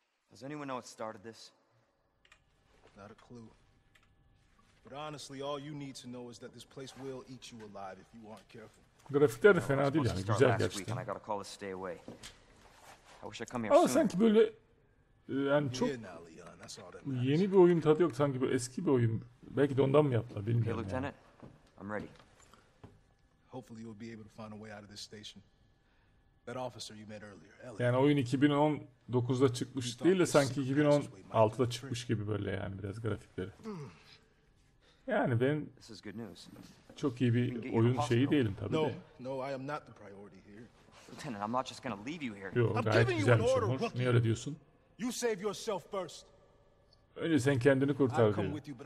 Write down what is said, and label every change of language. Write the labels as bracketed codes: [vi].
[en] Does anyone know what started this? Not a clue. But honestly, all you need to know is that this place will eat you alive if you aren't careful. [tr] Grafikler de fena değil yani, güzel gerçekten. [en] I got a call to stay away. I wish I'd come here sooner. [tr] Ama sanki böyle yani çok yeni bir oyun tadı yok, sanki böyle eski bir oyun. Belki de ondan mı yaptılar, bilmiyorum yani. [en] Hey, Lieutenant, I'm ready. Hopefully you'll be able to find a way out of this station. That officer you met earlier, Elliot. [tr] Yani oyun 2019'da çıkmış değil de sanki 2016'da çıkmış gibi böyle yani, biraz grafikleri. Yani ben çok iyi bir oyun şeyi değilim tabii de. [en] No, I am not the priority here. Lieutenant, I'm not just gonna leave you here. [tr] Yok, gayet güzelmiş Umur. Niye öyle diyorsun? [en] You save yourself first. [tr] Önce sen kendini kurtar diye.